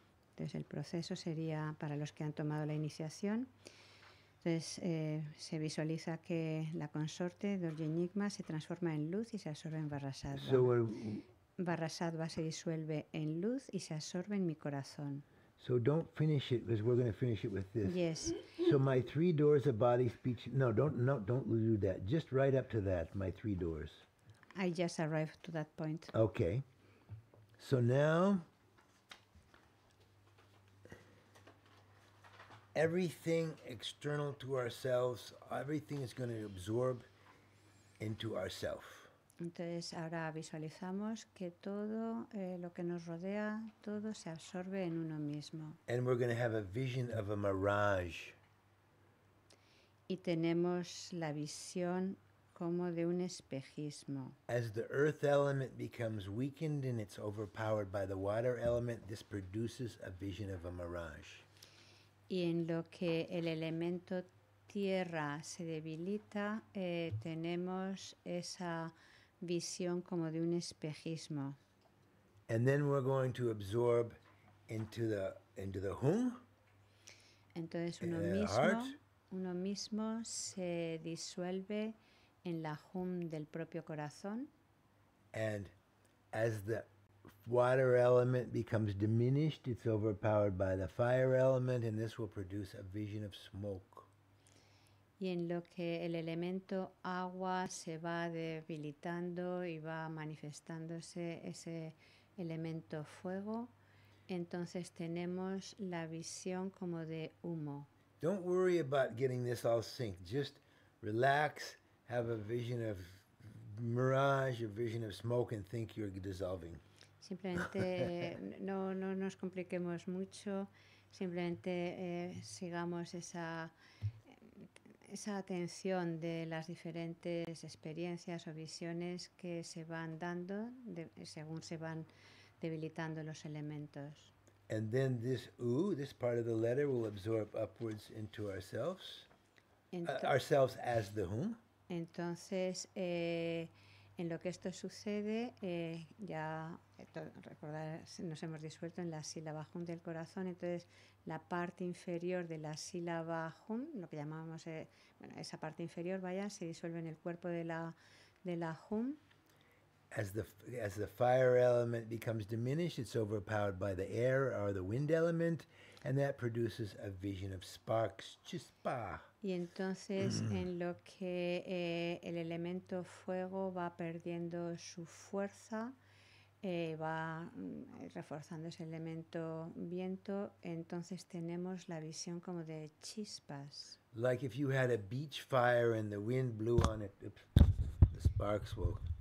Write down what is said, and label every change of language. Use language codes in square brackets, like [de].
[es] Entonces el proceso sería para los que han tomado la iniciación. Entonces se visualiza que la consorte Dorje Nyingma se transforma en luz y se absorbe en Barrasattva. Barrasattva se disuelve en luz y se absorbe en mi corazón. [en] So don't finish it because we're going to finish it with this. Yes. So my three doors of body, speech. No, don't do that. Just right up to that, my three doors. I just arrived to that point. Okay. So now everything external to ourselves, everything is going to absorb into ourself. [es] Entonces ahora visualizamos que todo lo que nos rodea, todo se absorbe en uno mismo. [en] And we're going to have a vision of a mirage. [es] Y tenemos la visión como de un espejismo. [en] As the earth element becomes weakened and it's overpowered by the water element, this produces a vision of a mirage. [es] Y en lo que el elemento tierra se debilita, tenemos esa visión como de un espejismo. [en] And then we're going to absorb into the hum. [es] Entonces uno mismo se disuelve en la hum del propio corazón. [en] And as the water element becomes diminished, it's overpowered by the fire element, and this will produce a vision of smoke. [es] Y en lo que el elemento agua se va debilitando y va manifestándose ese elemento fuego, entonces tenemos la visión como de humo. [en] Don't worry about getting this all synced. Just relax, have a vision of mirage, a vision of smoke, and think you're dissolving. [es] Simplemente no nos compliquemos mucho, simplemente sigamos esa atención de las diferentes experiencias o visiones que se van dando según se van debilitando los elementos. [en] And then this oo, this part of the letter, will absorb upwards into ourselves, ourselves as the hum. [es] Entonces, en lo que esto sucede, ya recordar, nos hemos disuelto en la sílaba hum del corazón, entonces la parte inferior de la sílaba hum, lo que llamamos esa parte inferior, vaya, se disuelve en el cuerpo de la hum. [en] As the fire element becomes diminished, it's overpowered by the air or the wind element, and that produces a vision of sparks, chispa. [es] Y entonces, en lo que el elemento fuego va perdiendo su fuerza, va reforzando ese elemento viento, entonces tenemos la visión como de chispas. [en] Like if you had a beach fire and the wind blew on it, the sparks will...